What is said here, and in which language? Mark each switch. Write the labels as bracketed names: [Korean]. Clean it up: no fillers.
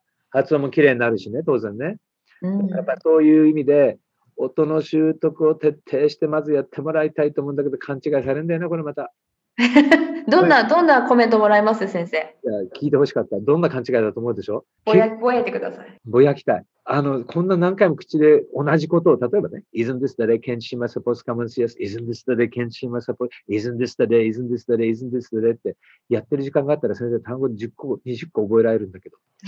[Japanese] 発音もきれいになるしね、当然ね。やっぱそういう意味で、音の習得を徹底してまずやってもらいたいと思うんだけど、勘違いされるんだよね、これまた。どんな、はい、どんなコメントもらえます先生。いや聞いてほしかった。どんな勘違いだと思うでしょ。ぼやいてください。ぼやきたい。あのこんな何回も口で同じことを例えばね、 [English] Isn't this the day Ken Shima supposed to come and see us? Isn't this the day Ken Shima supposed? Isn't this the day? Isn't this the day? Isn't this the day? [Japanese] ってやってる時間があったら先生単語10個20個覚えられるんだけど。